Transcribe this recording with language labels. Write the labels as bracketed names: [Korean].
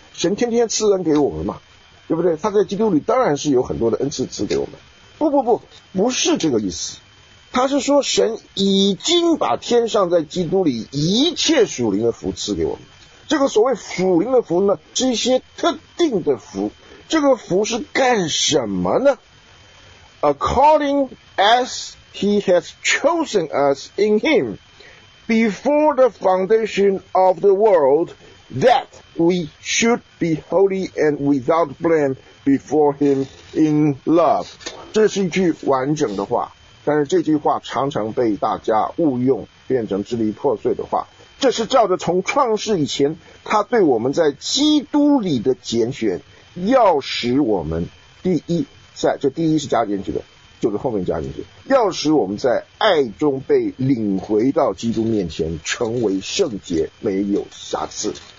[Chinese] 神天天赐恩给我们嘛，对不对？他在基督里当然是有很多的恩赐赐给我们。不不不，不是这个意思。他是说神已经把天上在基督里一切属灵的福赐给我们。这个所谓属灵的福呢，是一些特定的福。这个福是干什么呢？ [English] According as he has chosen us in him before the foundation of the world, that we should be holy and without blame before him in love。 [Chinese] 这是一句完整的话，但是这句话常常被大家误用，变成支离破碎的话。这是照着从创世以前他对我们在基督里的拣选，要使我们第一，在这第一是加进去的，就是后面加进去，要使我们在爱中被领回到基督面前，成为圣洁没有瑕疵。